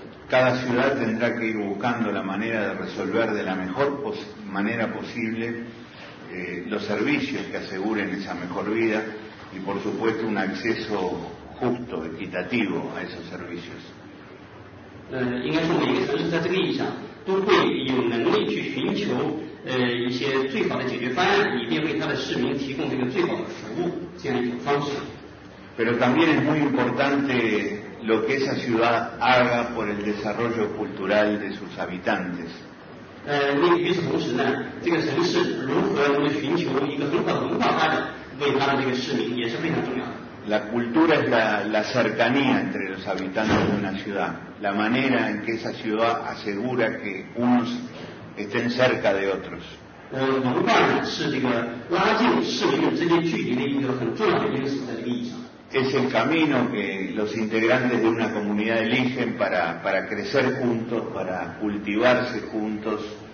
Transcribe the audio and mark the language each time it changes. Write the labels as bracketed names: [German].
[Spanish] Cada ciudad tendrá que ir buscando la manera de resolver de la mejor manera posible los servicios que aseguren esa mejor vida y, por supuesto, un acceso justo, equitativo a esos servicios. [Chinese] 应该说每个城市在这个意义上都会有能力去寻求一些最好的解决方案，以便为他的市民提供这个最好的服务，这样一种方式。 [Spanish] Pero también es muy importante lo que esa ciudad haga por el desarrollo cultural de sus habitantes. [Chinese] 与此同时呢，这个城市如何能够寻求一个很好的文化发展，为他的这个市民也是非常重要的。 [Spanish] La cultura es la cercanía entre los habitantes de una ciudad, la manera en que esa ciudad asegura que unos estén cerca de otros. Es el camino que los integrantes de una comunidad eligen para crecer juntos, para cultivarse juntos,